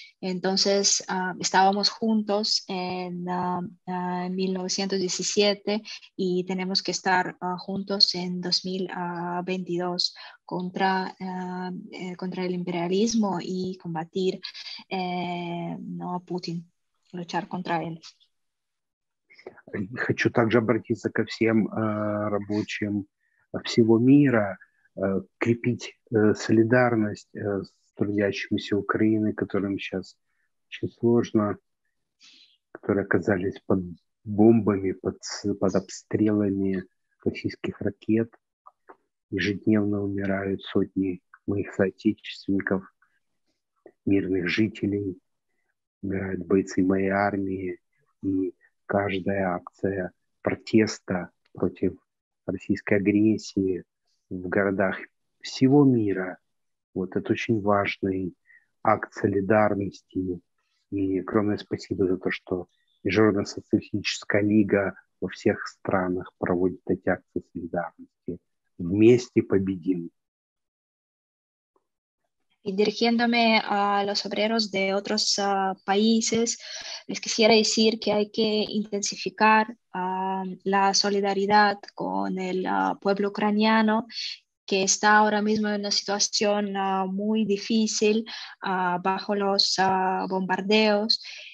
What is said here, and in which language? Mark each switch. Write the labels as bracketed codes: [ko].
[es] Entonces estábamos juntos en 1917 y tenemos que estar juntos en 2022 contra el imperialismo y combatir no a Putin, luchar contra él. [ru] Хочу также обратиться ко всем рабочим всего мира, крепить солидарность с трудящимися Украины, которым сейчас очень сложно, которые оказались под бомбами, под обстрелами российских ракет. Ежедневно умирают сотни моих соотечественников, мирных жителей, умирают бойцы моей армии. И каждая акция протеста против российской агрессии в городах всего мира, вот это очень важный акт солидарности. И огромное спасибо за то, что Международная социалистическая лига во всех странах проводит эти акции солидарности. Вместе победим. [es] y dirigiéndome a los obreros de otros países, les quisiera decir que hay que intensificar la solidaridad con el pueblo ucraniano, que está ahora mismo en una situación muy difícil bajo los bombardeos.